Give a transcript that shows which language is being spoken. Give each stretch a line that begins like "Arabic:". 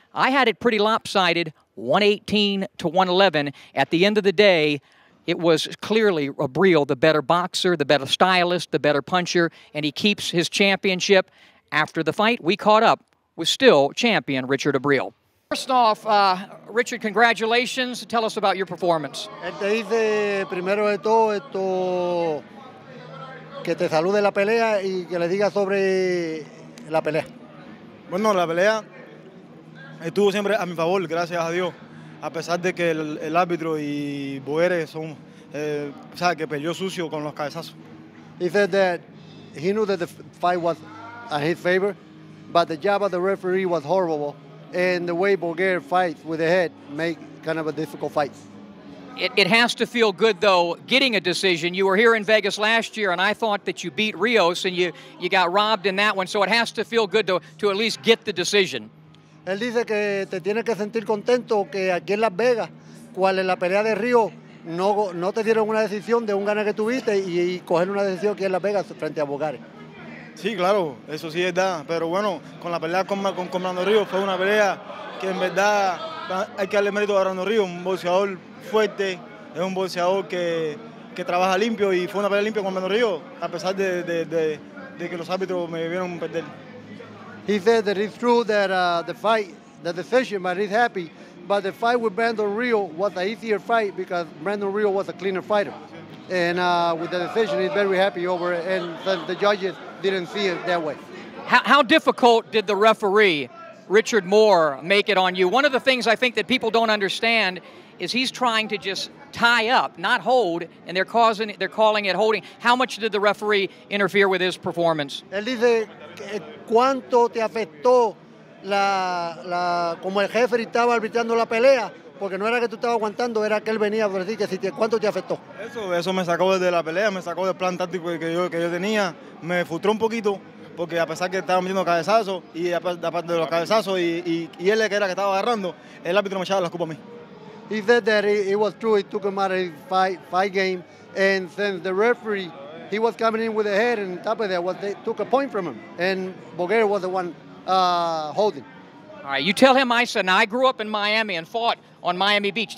English: I had it pretty lopsided, 118 to 111. At the end of the day, it was clearly Abril, the better boxer, the better stylist, the better puncher, and he keeps his championship. After the fight, we caught up with still champion Richard Abril. First off, Richard, congratulations. Tell us about your performance.
Spanish: Primero de todo, que te salude la pelea y que le diga sobre la pelea. Bueno, la pelea estuvo siempre a mi favor, gracias a Dios. A pesar de que el árbitro y Borgere son, sabe que peleó sucio con los cabezazos.
English: He said that he knew that the fight was in his favor, but the job of the referee was horrible, and the way Borgere fights with the head make kind of a difficult fight. It has to feel good, though, getting a decision. You were here in Vegas last year, and I thought that you beat Rios, and you got robbed in that one. So it has to feel good to at least get the decision.
Spanish: Él dice que te tienes que sentir contento que aquí en Las Vegas, cual en la pelea de Río, no te dieron una decisión de un ganar que tuviste y coger una decisión aquí en Las Vegas frente a Borgere. Sí, claro, eso sí es verdad. Pero bueno, con la pelea con Brandon Río fue una pelea que en verdad hay que darle mérito a Brandon Río, un boxeador fuerte, es un boxeador que trabaja limpio y fue una pelea limpia con Brandon Río, a pesar de que los árbitros me vieron perder.
English: He said that it's true that the decision, but he's happy. But the fight with Brandon Rio was an easier fight because Brandon Rio was a cleaner fighter. And with the decision, he's very happy over it. And the judges didn't see it that way. How difficult did the referee, Richard Moore, make it on you? One of the things I think that people don't understand is he's trying to just tie up, not hold, and they're calling it holding. How much did the referee interfere with his performance?
Spanish: Él dice, ¿cuánto te afectó la como el jefe estaba arbitrando la pelea? Porque no era que tú estabas aguantando, era que él venía a decir que si te, ¿cuánto te afectó? Eso me sacó de la pelea, me sacó del plan táctico que yo tenía, me frustró un poquito, porque a pesar que estaba metiendo cabezazos, y aparte de los cabezazos, y él que era que estaba agarrando, el árbitro me echaba la culpa a mí.
English: He said that it was true, it took him out of his fight game, and since the referee, he was coming in with a head, and on top of that, they took a point from him, and Borgere was the one holding. All right, you tell him I said, now I grew up in Miami and fought on Miami Beach.